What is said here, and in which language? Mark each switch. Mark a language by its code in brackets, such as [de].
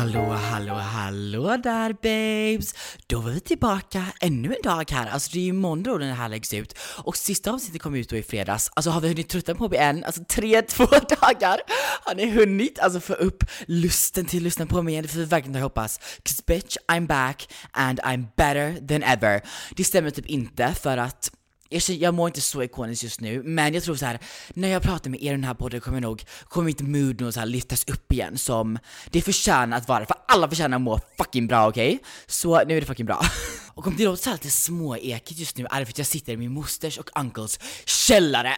[sv] Hallå där babes, då var vi tillbaka ännu en dag här. Alltså det är ju måndag och den här läggs ut. Och sista avsnittet kom ut då i fredags. Alltså har vi hunnit trötta på mig än? Alltså 3-2 dagar har ni hunnit alltså få upp lusten till att lyssna på mig igen. Det får vi verkligen hoppas. [en] 'Cause bitch, I'm back and I'm better than ever. [sv] Det stämmer typ inte för att jag mår inte så ikoniskt just nu. Men jag tror så här, när jag pratar med er i den här podden kommer mitt mood nog så här lyftas upp igen, som det förtjänar att vara. För alla förtjänar att må fucking bra, okej? Så nu är det fucking bra. Och om det låter så här lite småekigt just nu, är det för att jag sitter i min mosters och uncles källare.